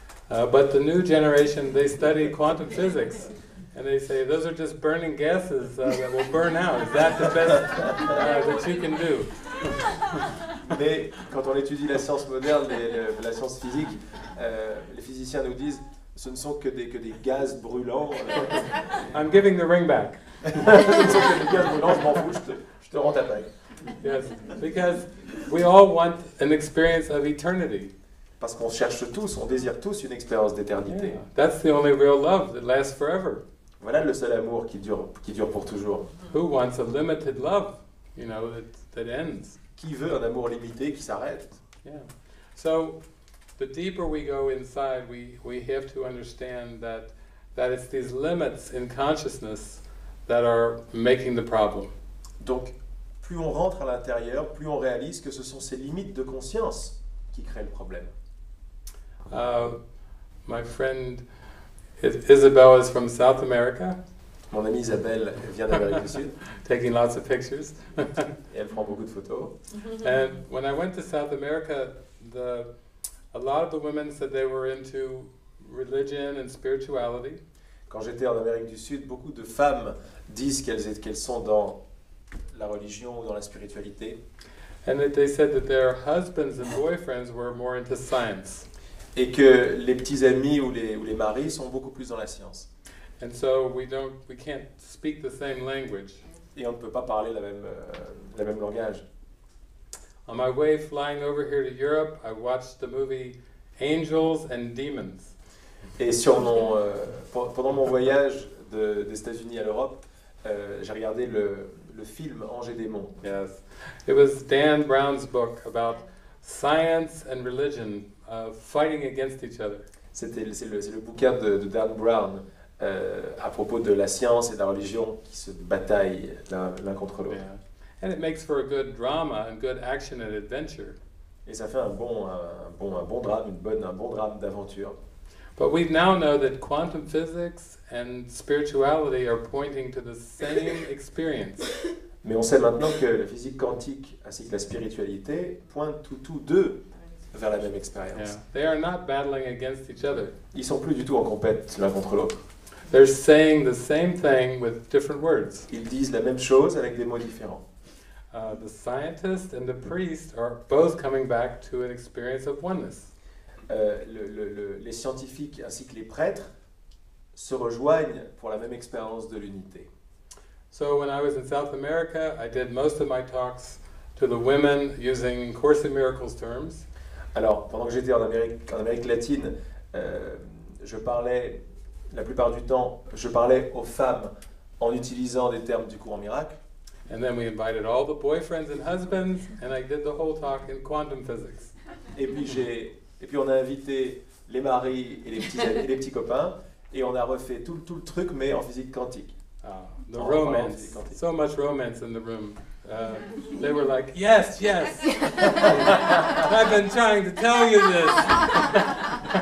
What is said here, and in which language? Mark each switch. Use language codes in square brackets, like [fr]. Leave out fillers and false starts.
[en] But the new generation, they study quantum physics and they say those are just burning gases that will burn out. Is that the best that you can do? [fr] Mais quand on étudie la science moderne, la science physique, les physiciens nous disent ce ne sont que des gaz brûlants. [en] I'm giving the ring back. [fr] Je te rends ta paille. [en] Yes, because we all want an experience of eternity. [fr] Parce qu'on cherche tous, on désire tous une expérience d'éternité. [en] Yeah. That's the only real love that lasts forever. [fr] Voilà le seul amour qui dure pour toujours. [en] Who wants a limited love, you know, that ends? [fr] Qui veut un amour limité qui s'arrête? [en] Yeah. So, the deeper we go inside, we have to understand that it's these limits in consciousness that are making the problem. [fr] Donc, plus on rentre à l'intérieur, plus on réalise que ce sont ces limites de conscience qui créent le problème. [en] My friend Isabel is from South America. [fr] Mon amie Isabelle vient d'Amérique du Sud. [en] Taking lots of pictures. [fr] Et elle prend beaucoup de photos. [en] And when I went to South America, a lot of the women said they were into religion and spirituality. [fr] Quand j'étais en Amérique du Sud, beaucoup de femmes disent qu'elles sont dans la religion ou dans la spiritualité. [en] And that they said that their husbands and boyfriends were more into science. [fr] Et que les petits amis ou les maris sont beaucoup plus dans la science. [en] And so we can't speak the same language. [fr] Et on ne peut pas parler la même langage. [en] On my way flying over here to Europe, I watched the movie Angels and Demons. [fr] Et sur mon pendant mon voyage des États-Unis à l'Europe, j'ai regardé le film Anges et Démons. [en] Yes. It was Dan Brown's book about science and religion fighting against each other. [fr] C'est le bouquin de Dan Brown à propos de la science et de la religion qui se bataillent l'un contre l'autre. [en] Yeah. And it makes for a good drama and good action and adventure. [fr] Et ça fait un bon drame, un bon drame d'aventure. [en] But we now know that quantum physics and spirituality are pointing to the same experience. [fr] Mais on sait maintenant que la physique quantique ainsi que la spiritualité pointent tous deux vers la même expérience. [en] Yeah. They are not battling against each other. [fr] Ils sont plus du tout en compète l'un contre l'autre. [en] They're saying the same thing with different words. [fr] Ils disent la même chose avec des mots différents. [en] The scientist and the priest are both coming back to an experience of oneness. [fr] Les scientifiques ainsi que les prêtres se rejoignent pour la même expérience de l'unité. [en] So when I was in South America, I did most of my talks to the women using Course in Miracles terms. [fr] Alors, pendant que j'étais en Amérique latine, je parlais la plupart du temps, je parlais aux femmes en utilisant des termes du cours en miracle. [en] And then we invited all the boyfriends and husbands, and I did the whole talk in quantum physics. [fr] Et puis on a invité les maris et les petits copains, et on a refait tout le truc, mais en physique quantique. [en] The romance, quantique. So much romance in the room. They were like, yes, yes. I've been trying to tell you this.